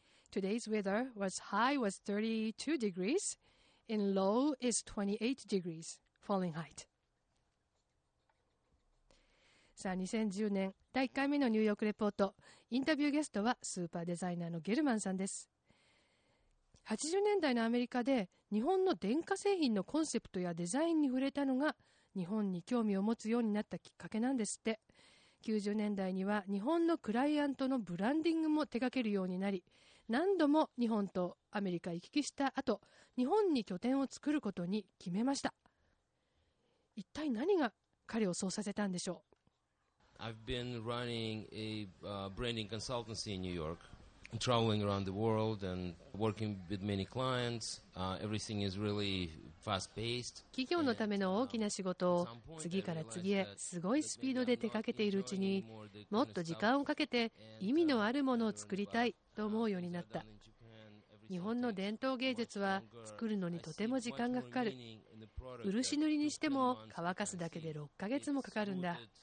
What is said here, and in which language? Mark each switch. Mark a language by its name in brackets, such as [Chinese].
[English] Today's weather was high was 32 degreesAnd low is 28 degrees, falling height. [Japanese] さあ、2010年、第1回目のニューヨークレポート。インタビューゲストは、スーパーデザイナーのゲルマンさんです。 80年代のアメリカで、日本の電化製品のコンセプトやデザインに触れたのが、日本に興味を持つようになったきっかけなんですって。 90年代には、日本のクライアントのブランディングも手掛けるようになり、何度も日本とアメリカ行き来した後、日本に拠点を作ることに決めました。一体何が彼をそうさせたんでしょう。 [English] I've been running a branding consultancy in New York, traveling around the world and working with many clients. Everything is really fast-paced. [Japanese] 企業のための大きな仕事を次から次へすごいスピードで手掛けているうちに、もっと時間をかけて意味のあるものを作りたいと思うようになった。日本の伝統芸術は作るのにとても時間がかかる。漆塗りにしても乾かすだけで6ヶ月もかかるんだ。